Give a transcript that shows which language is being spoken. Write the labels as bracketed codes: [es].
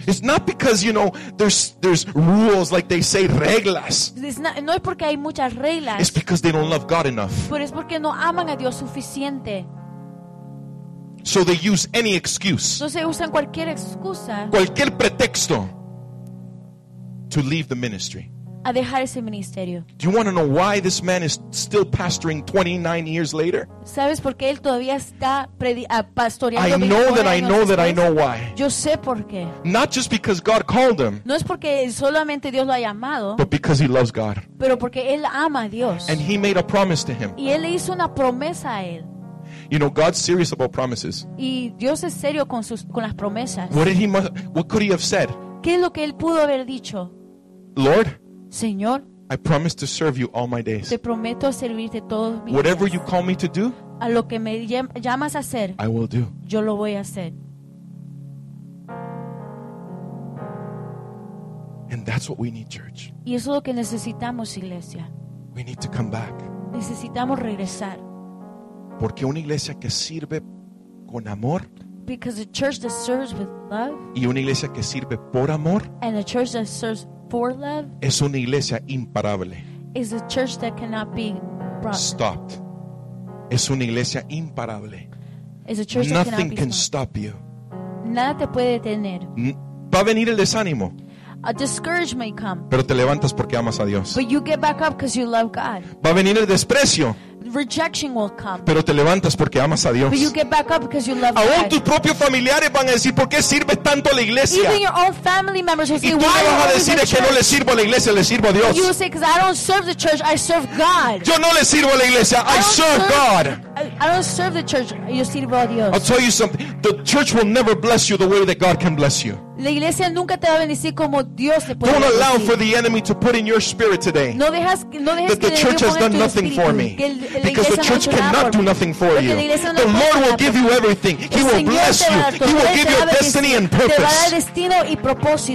[en] It's not because, you know, there's rules, like they say, reglas. [es] No es porque hay muchas reglas. [en] It's because they don't love God enough. [es] Pero es porque no aman a Dios suficiente. [en] So they use any excuse. [es] Entonces usan cualquier excusa. Cualquier pretexto [en] to leave the ministry. [es] A dejar ese ministerio. [en] Do you want to know why this man is still pastoring 29 years later? [es] ¿Sabes por qué él todavía está pastoreando? [en] I know that I know [es] después? [en] That I know why. [es] Yo sé por qué. [en] Not just because God called him. [es] No es porque solamente Dios lo ha llamado. [en] But because he loves God. [es] Pero porque él ama a Dios. [en] And he made a promise to him. [es] Y él le hizo una promesa a él. [en] You know, God's serious about promises. [es] Y Dios es serio con sus con las promesas. [en] What could he have said? [es] ¿Qué es lo que él pudo haber dicho? [en] Lord. [es] Señor, [en] I promise to serve you all my days. [es] Te prometo servirte todos mis [en] Whatever [es] días. [en] You call me to do, [es] a lo que me llamas a hacer, [en] I will do. [es] Yo lo voy a hacer. [en] And that's what we need, church. [es] Y eso es lo que necesitamos, iglesia. [en] We need to come back. [es] Necesitamos regresar. Porque una iglesia que sirve con amor. [en] Because a church that serves with love. [es] Y una iglesia que sirve por amor. [en] And a church that serves for love [es] es una iglesia imparable. [en] Is a church that cannot be brought. Stopped. [es] Es una iglesia imparable. [en] Is a church Nothing that cannot can be stop you. [es] Nada te puede detener. Va a venir el desánimo. [en] A discouragement may come. [es] Pero te levantas porque amas a Dios. [en] But you get back up because you love God. [es] Va a venir el desprecio. [en] Rejection will come. [es] Pero te levantas porque amas a Dios. [en] But you get back up because you love God. [es] Aún tus propios familiares van a decir ¿por qué sirve tanto a la iglesia? [en] Even your own family members will say, [es] y tú le vas a decir es que no le sirvo a la iglesia, le sirvo a Dios. [en] You will say, 'cause I don't serve the church, I serve God. [es] Yo no le sirvo a la iglesia, [en] I serve God. I don't serve the church, [es] yo sirvo a Dios. [en] I'll tell you something. The church will never bless you the way that God can bless you. [es] La iglesia nunca te va a bendecir como Dios te puede bendecir. [en] Don't allow for the enemy to put in your spirit today. [es] No dejas, no dejas [en] that the church has done nothing for me. Because the church cannot do nothing for you. The Lord will give you everything. He will bless you. He will give you a destiny and purpose.